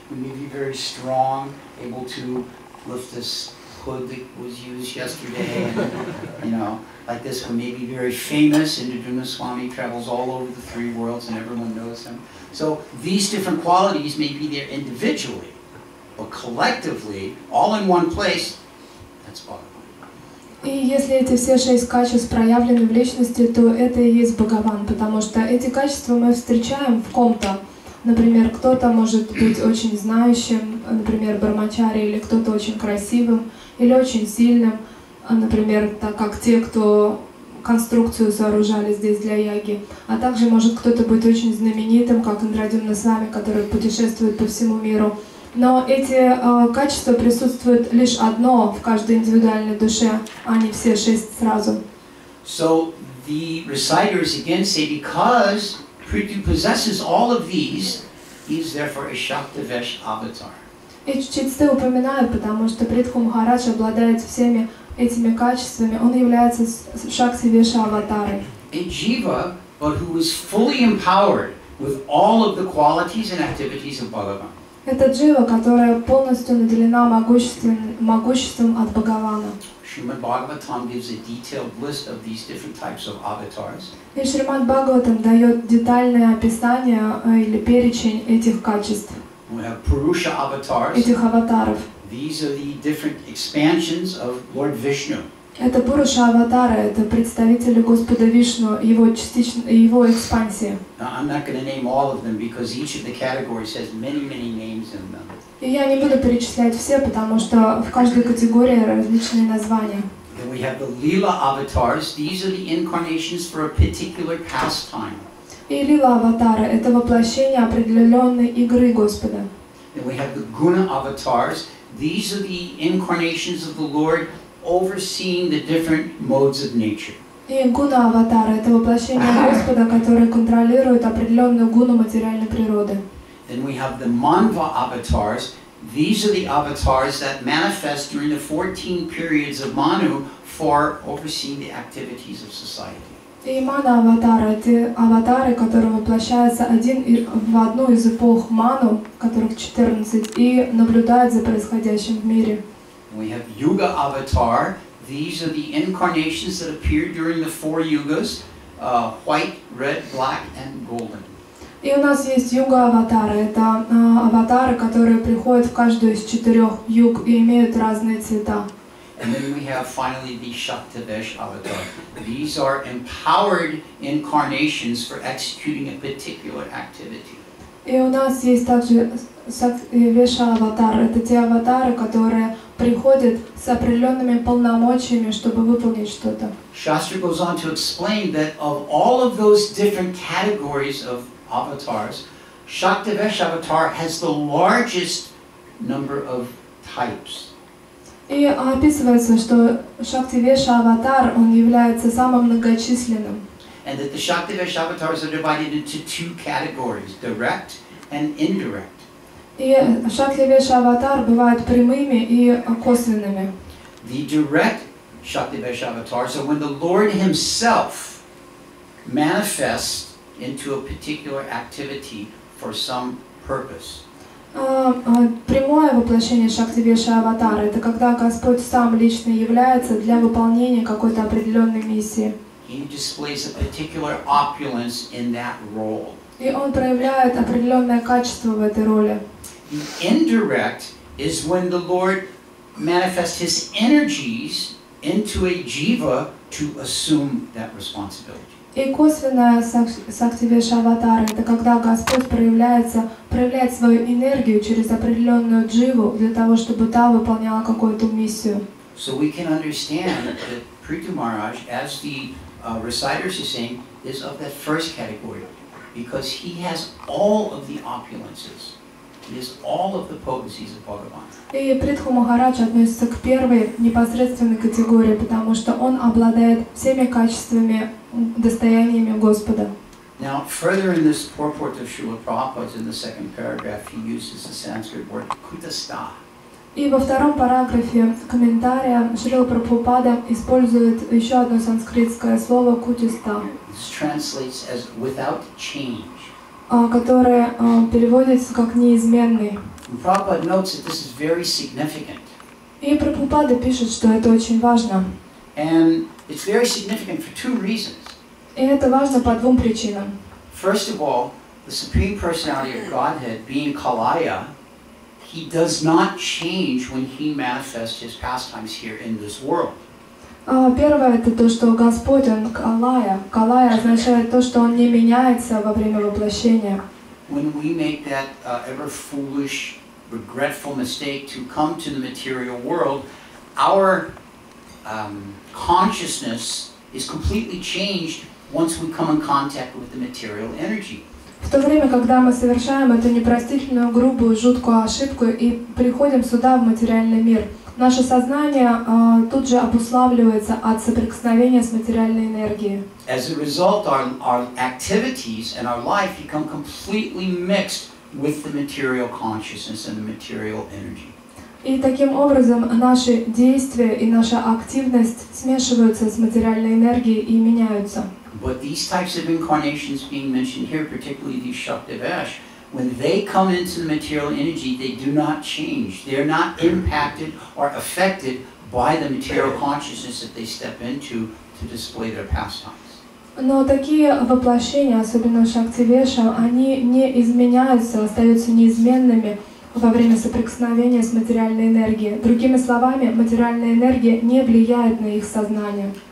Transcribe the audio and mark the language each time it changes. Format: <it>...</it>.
<en>You may be very strong, able to lift this hood that was used yesterday, and, you know, like this. Or maybe very famous. Indrajana Swami travels all over the three worlds and everyone knows him. So these different qualities may be there individually, but collectively, all in one place, that's Bhagavan.</en> <ru>И если эти все шесть качеств проявлены в личности, то это и есть Бхагаван, потому что эти качества мы встречаем в ком-то. Например, кто-то может быть очень знающим, например, брахмачари, или кто-то очень красивым, или очень сильным, например, так как те, кто конструкцию сооружали здесь для Яги. А также может кто-то быть очень знаменитым, как Индрадюмна Свами, который путешествует по всему миру. Но эти качества присутствуют лишь одно в каждой индивидуальной душе, а не все шесть сразу.</ru> <en>So the reciters again say, because Prithu possesses all of these, he is therefore a Shaktivesh avatar.</en> <ru>И чтецы упоминают, потому что Притху Махарадж обладает всеми этими качествами, он является Шактивеш аватарой.</ru> <en>A jiva, but who is fully empowered with all of the qualities and activities of Bhagavan.</en> <ru>Это джива, которая полностью наделена могуществом от Бхагавана.</ru> <en>Шримад Бхагаватам gives a detailed list of these different types of avatars.</en> <ru>И Шримад Бхагаватам дает детальное описание или перечень этих качеств.</ru> <en>We have Purusha avatars.</en> <ru>Этих аватаров.</ru> <en>These are the different expansions of Lord Vishnu.</en> <ru>Это Пуруша аватары, это представители Господа Вишну, его частично, его экспансии.</ru> <en>I'm not going to name all of them because each of the categories has many, many names in them.</en> <ru>И я не буду перечислять все, потому что в каждой категории различные названия.</ru> <en>Then we have the Lila avatars. These are the incarnations for a particular pastime.</en> <ru>И Лила аватары – это воплощение определенной игры Господа.</ru> <en>Then we have the Guna avatars. These are the incarnations of the Lord overseeing the different modes of nature.</en> <ru>И гуна аватар это воплощение Господа, который контролирует определённую гуну материальной природы.</ru> <en>Then we have the manva avatars. These are the avatars that manifest during the 14 periods of Manu for overseeing the activities of society.</en> <ru>И мана аватары это аватары, которые воплощаются в одну из эпох Ману, которых 14, и наблюдают за происходящим в мире.</ru> <en>We have Yuga avatar. These are the incarnations that appear during the four yugas, white, red, black, and golden.</en> <ru>И у нас есть Yuga avatары. Это аватары, которые приходят в каждую из четырех юг и имеют разные цвета.</ru> <en>And then we have finally the Shaktivesh avatar. These are empowered incarnations for executing a particular activity.</en> <ru>И у нас есть также Шактивеша аватар. Это те аватары, которые приходят с определенными полномочиями, чтобы выполнить что-то.</ru> <en>Shastra goes on to explain that of all of those different categories of avatars, Shaktivesh avatar has the largest number of types.</en> <ru>И описывается, что Шактивеша аватар, он является самым многочисленным.</ru> <en>And that the Shaktivesh avatars are divided into two categories, direct and indirect.</en> <ru>И Шактивеш аватар бывают прямыми и косвенными.</ru> <en>The direct Shaktivesh avatar, so when the Lord himself manifests into a particular activity for some purpose.</en> <ru>Прямое воплощение Шактивеша аватара это когда Господь сам лично является для выполнения какой-то определенной миссии.</ru> <en>He displays a particular opulence in that role.</en> <ru>И он проявляет определенное качество в этой роли.</ru> <en>The indirect is when the Lord manifests his energies into a jiva to assume that responsibility.</en> <ru>И косвенное Шактивеш аватар это когда Господь проявляет свою энергию через определенную дживу для того, чтобы та выполняла какую-то миссию.</ru> <en>So we can understand that Prithu Maharaj, as the reciters are saying, is of that first category. Because he has all of the opulences. He has all of the potencies of Bhagavan.</en> <ru>И Притху Махарадж относится к первой непосредственной категории, потому что он обладает всеми качествами, достояниями Господа.</ru> <en>Now, further in this purport of Srila Prabhupada, in the second paragraph, he uses the Sanskrit word kutastha.</en> <ru>И во втором параграфе комментария Шрила Прабхупада использует еще одно санскритское слово кутиста.</ru> <en>This translates as without change.</en> <ru>Которое переводится как неизменный.</ru> <en>Prabhupada notes that this is very significant.</en> <ru>И Прабхупада пишет, что это очень важно.</ru> <en>And it's very significant for two reasons.</en> <ru>И это важно по двум причинам.</ru> <en>First of all, the Supreme Personality of Godhead, being Kalaya, He does not change when he manifests his pastimes here in this world.</en> <ru>Первое это то, что Господь он Калая. Калая означает то, что он не меняется во время воплощения.</ru> <en>When we make that ever foolish, regretful mistake to come to the material world, our consciousness is completely changed once we come in contact with the material energy.</en> <ru>В то время, когда мы совершаем эту непростительную, грубую, жуткую ошибку и приходим сюда, в материальный мир, наше сознание тут же обуславливается от соприкосновения с материальной энергией.</ru> <en>As a result, our activities and our life become completely mixed with the material consciousness and the material energy.</en> <ru>И таким образом наши действия и наша активность смешиваются с материальной энергией и меняются.</ru> <en>But these types of incarnations being mentioned here, particularly these Shaktivesh, when they come into the material energy, they do not change. They are not impacted or affected by the material consciousness that they step into to display their pastimes.</en> <ru>Но такие воплощения, особенно Shaktivesh, они не изменяются, остаются неизменными во время соприкосновения с материальной энергией. Другими словами, материальная энергия не влияет на их сознание.</ru>